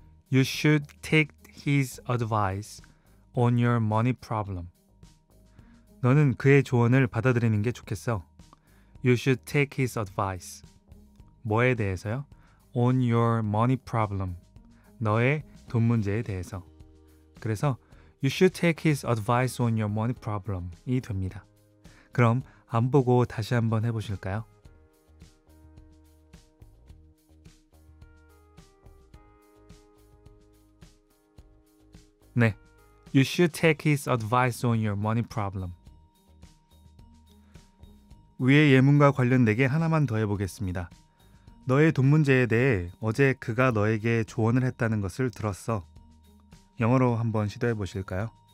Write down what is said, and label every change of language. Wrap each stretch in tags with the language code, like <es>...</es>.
<en>You should take his advice on your money problem.</en> <ko>너는 그의 조언을 받아들이는 게 좋겠어.</ko> <en>You should take his advice.</en> <ko>뭐에 대해서요?</ko> <en>On your money problem.</en> <ko>너의 돈 문제에 대해서. 그래서</ko> <en>You should take his advice on your money problem.</en> <ko>이 됩니다. 그럼 안 보고 다시 한번 해보실까요?</ko> <en>You should take his advice on your money problem.</en> <ko>위의 예문과 관련되게 하나만 더 해보겠습니다. 너의 돈 문제에 대해 어제 그가 너에게 조언을 했다는 것을 들었어. 영어로 한번 시도해 보실까요?</ko>